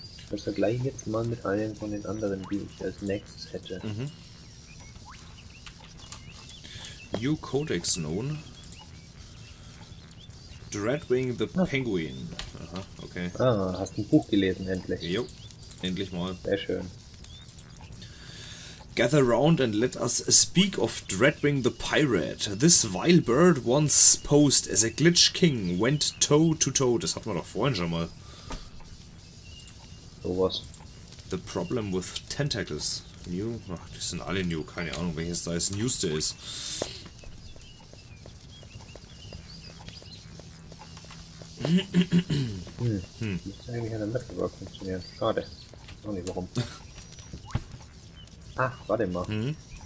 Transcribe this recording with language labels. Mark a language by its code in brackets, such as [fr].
[de] Das vergleiche ich jetzt mal mit allen von den anderen, die ich als nächstes hätte. Mhm. [en] New Codex known. Dreadwing the Penguin. Aha, okay. [de] Ah, hast ein Buch gelesen, endlich. Jo, endlich mal. Sehr schön. [en] Gather round and let us speak of Dreadwing the Pirate. This vile bird once posed as a glitch king went toe to toe. [de] Das hatten wir doch vorhin schon mal. So was. [en] The problem with tentacles. [de] New? Ach, die sind alle new. Keine Ahnung, welches da das Newste ist. Müsste eigentlich an der Metalwork funktionieren. Schade. Ich weiß nicht warum. Ach, warte mal. Mhm.